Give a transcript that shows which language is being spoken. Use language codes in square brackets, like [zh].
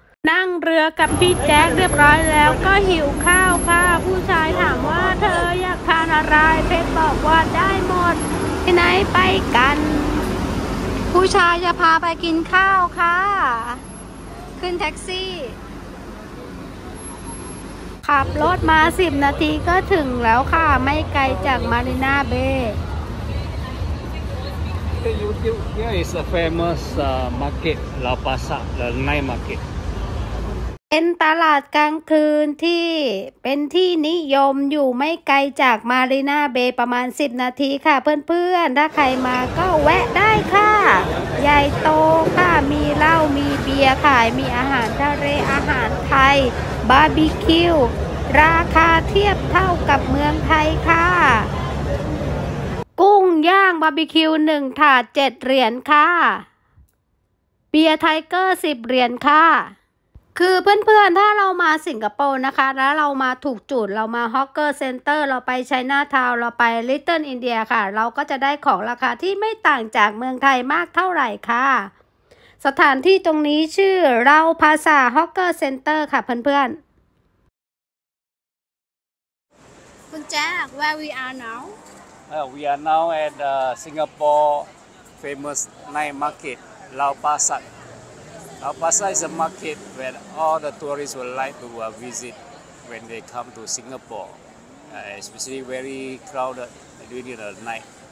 [th] นั่งเรือกับพี่แจ๊คเรียบร้อยแล้วก็หิวข้าวค่ะผู้ชายถามว่าเธออยากทานอะไรเพชรบอกว่าได้หมดที่ไหนไปกันผู้ชายจะพาไปกินข้าวค่ะขึ้นแท็กซี่ขับรถมา10นาทีก็ถึงแล้วค่ะไม่ไกลจากมารีนาเบย์ [en] Here is a famous market, La Pasar, the night market. [th] เป็นตลาดกลางคืนที่เป็นที่นิยมอยู่ไม่ไกลจากมารีนาเบย์ประมาณ10นาทีค่ะเพื่อนๆถ้าใครมาก็แวะได้ค่ะใหญ่โตค่ะมีเหล้ามีเบียร์ขายมีอาหารทะเลอาหารไทยบาร์บีคิวราคาเทียบเท่ากับเมืองไทยค่ะ กุ้งย่างบาร์บีคิว1ถาด7เหรียญค่ะเบียร์ไทเกอร์10เหรียญค่ะคือเพื่อนๆถ้าเรามาสิงคโปร์นะคะแล้วเรามาถูกจุดเรามาฮอกเกอร์เซ็นเตอร์เราไปไชน่าทาวน์เราไปลิตเติ้ลอินเดียค่ะเราก็จะได้ของราคาที่ไม่ต่างจากเมืองไทยมากเท่าไหร่ค่ะสถานที่ตรงนี้ชื่อเราภาษาฮอกเกอร์เซ็นเตอร์ค่ะเพื่อนๆคุณแจ๊ค [en] where we are now We are now at the Singapore famous night market, Lau Pasat. Lau Pasat is a market where all the tourists would like to visit when they come to Singapore. Especially very crowded during the night.